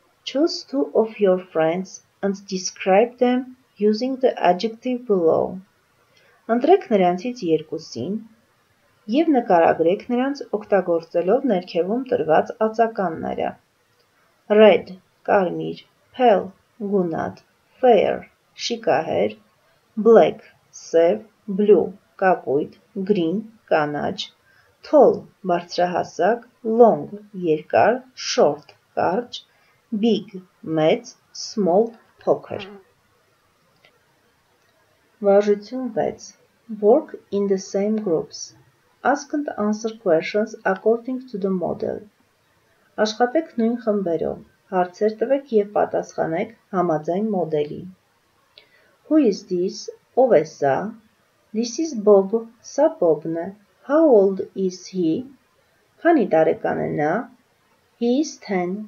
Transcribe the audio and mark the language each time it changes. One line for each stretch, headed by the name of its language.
English: Choose two of your friends and describe them using the adjective below.
Armenian: Ընտրեք նրանցից երկուսին և նկարագրեք նրանց օգտագործելով ներքևում տրված ածականները.
English: Red – կարմիր, pale – գունատ, fair – շիկահեր, black – սև, blue – կապույտ, green – կանաչ, tall – բարձրահասակ, long – երկար, short – կարճ, big – մեծ, small – փոքր.
Armenian: Վարժություն 6.
English: Work in the same groups. Ask and answer questions according to the model.
Armenian: Աշխատեք նույն խմբերով. Հարցեր տվեք և պատասխանեք համաձայն մոդելի.
English: Who is this?
Armenian: Ով է սա?
English: This is Bob.
Armenian: Սա Bob-ն է.
English: How old is he?
Armenian: Քանի տարեկան է նա?
English: He is 10.